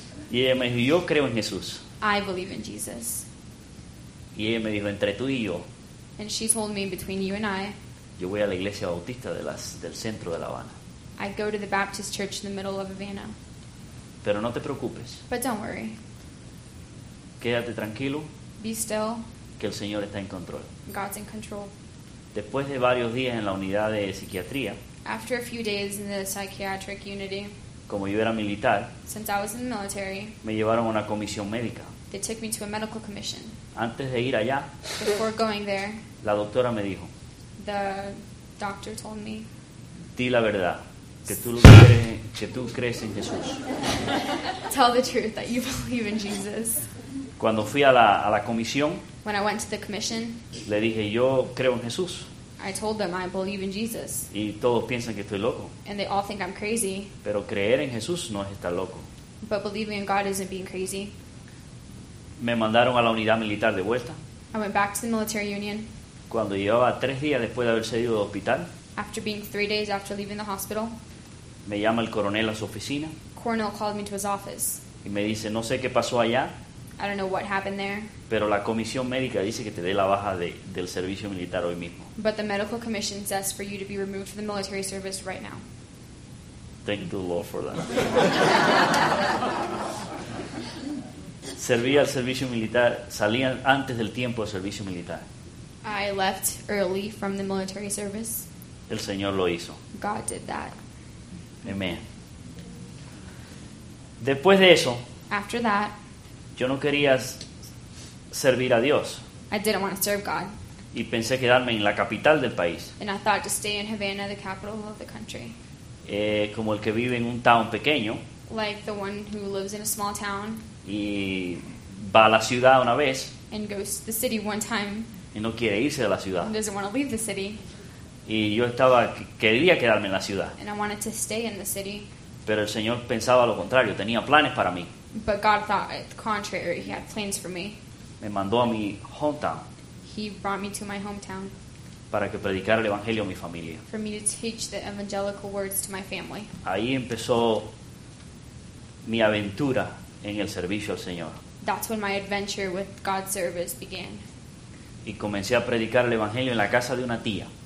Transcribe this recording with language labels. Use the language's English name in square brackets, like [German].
[Spanish] Y ella me dijo, yo creo en Jesús. [English] I believe in Jesus. [Spanish] Y ella me dijo, entre tú y yo. [English] And she told me, between you and I. [Spanish] Yo voy a la iglesia bautista de del centro de La Habana. [English] I go to the Baptist church in the middle of Havana. [Spanish] Pero no te preocupes. [English] But don't worry. [Spanish] Quédate tranquilo. [English] Be still. [Spanish] Que el Señor está en control. [English] God's in control. [Spanish] Después de varios días en la unidad de psiquiatría. [English] After a few days in the psychiatric unity. [Spanish] Como yo era militar. [English] Since I was in the military. [Spanish] Me llevaron a una comisión médica. [English] They took me to a medical commission. [Spanish] Antes de ir allá. [English] Before going there. [Spanish] La doctora me dijo. [English] The doctor told me. [Spanish] Di la verdad. Que tú crees en Jesús. [English] Tell the truth that you believe in Jesus. [Spanish] Cuando fui a la comisión, [English] when I went to the commission, [Spanish] le dije, yo creo en Jesús. [English] I told them I believe in Jesus. [Spanish] Y todos piensan que estoy loco. [English] And they all think I'm crazy. [Spanish] Pero creer en Jesús no es estar loco. [English] But believing in God isn't being crazy. [Spanish] Me mandaron a la unidad militar de vuelta. [English] I went back to the military union. [Spanish] Cuando llevaba 3 días después de haber salido del hospital, [English] after being 3 days after leaving the hospital, [Spanish] me llama el coronel a su oficina. [English] Colonel called me to his office. [Spanish] Y me dice, no sé qué pasó allá. [English] I don't know what happened there. [Spanish] Pero la comisión médica dice que te dé la baja del servicio militar hoy mismo. [English] But the medical commission says for you to be removed from the military service right now. Thank the Lord for that. [Spanish] Serví al servicio militar, salí antes del tiempo del servicio militar. [English] I left early from the military service. [Spanish] El Señor lo hizo. [English] God did that. Amen. [Spanish] Después de eso, [English] after that, [Spanish] yo no quería servir a Dios. [English] I didn't want to serve God. [Spanish] Y pensé quedarme en la capital del país. [English] And I thought to stay in Havana, the capital of the country. [Spanish] Como el que vive en un town pequeño. [English] Like the one who lives in a small town. [Spanish] Y va a la ciudad una vez. [English] And goes to the city one time. [Spanish] Y no quiere irse de la ciudad. [English] And doesn't want to leave the city. [Spanish] Y yo estaba, quería quedarme en la ciudad. [English] And I wanted to stay in the city. [Spanish] Pero el Señor pensaba lo contrario, tenía planes para mí. [English] But God thought the contrary, he had plans for me. [Spanish] Me mandó a mi hometown. [English] He brought me to my hometown. [Spanish] Para que predicara el evangelio a mi familia. [English] For me to teach the evangelical words to my family. [Spanish] Ahí empezó mi aventura en el servicio al Señor. [English] That's when my adventure with God's service began. [Spanish] Y comencé a predicar el evangelio en la casa de una tía.